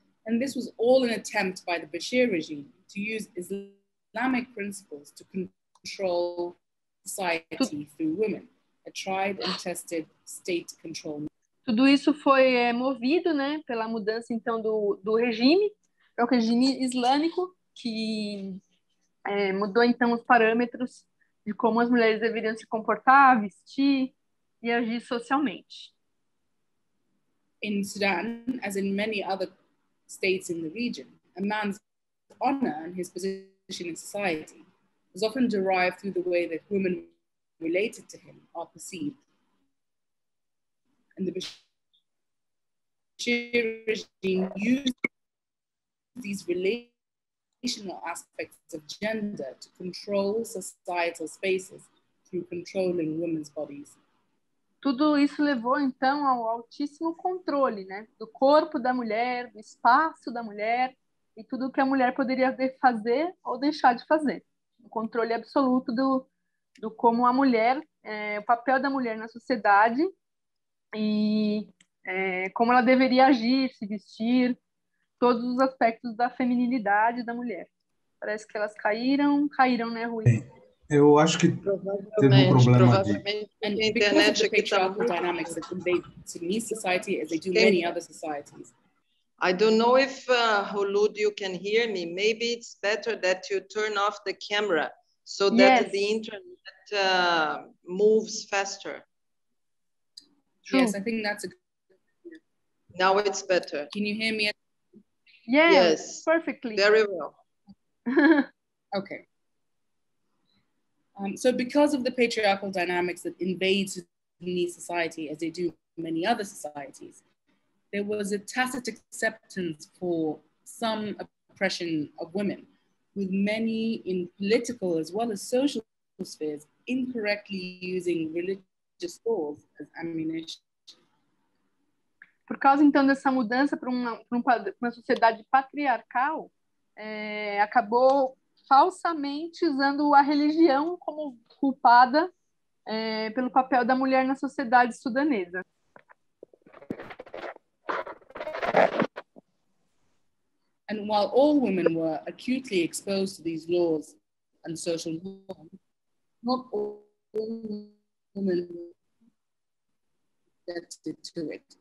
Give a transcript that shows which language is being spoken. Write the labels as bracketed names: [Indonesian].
[English] And this was all an attempt by the Bashir regime to use Islamic principles to control society through women, a tried and tested state control. [Portuguese] Tudo isso foi movido, né, pela mudança então do regime, o regime islâmico, que mudou então os parâmetros de como as mulheres deveriam se comportar, vestir e agir socialmente. [English] In Sudan, as in many other states in the region, a man's honor and his position in society was often derived through the way that women related to him are perceived. And the Bashir regime used these relational aspects of gender to control societal spaces through controlling women's bodies. [Portuguese] Tudo isso levou então ao altíssimo controle, né, do corpo da mulher, do espaço da mulher e tudo que a mulher poderia fazer ou deixar de fazer. Um controle absoluto do como a mulher, o papel da mulher na sociedade e como ela deveria agir, se vestir, todos os aspectos da feminilidade da mulher. Parece que elas caíram, né, Rui? Eu acho que tem um problema aqui. [English] And because of the patriarchal dynamics that convey to me society as they do many other societies. I don't know if Holud, you can hear me. Maybe it's better that you turn off the camera so that yes. the internet moves faster. True. Yes, I think that's a good. Now it's better. Can you hear me? Yes, perfectly. Very well. Okay. So because of the patriarchal dynamics that invade Sudanese society as they do many other societies, there was a tacit acceptance for some oppression of women, with many in political as well as social spheres incorrectly using religious laws as ammunition. [Portuguese] Por causa, então, dessa mudança para uma sociedade patriarcal, acabou falsamente usando a religião como culpada pelo papel da mulher na sociedade sudanesa. [English] And while all women were acutely exposed to these laws and social norms, not all women were subjected to it.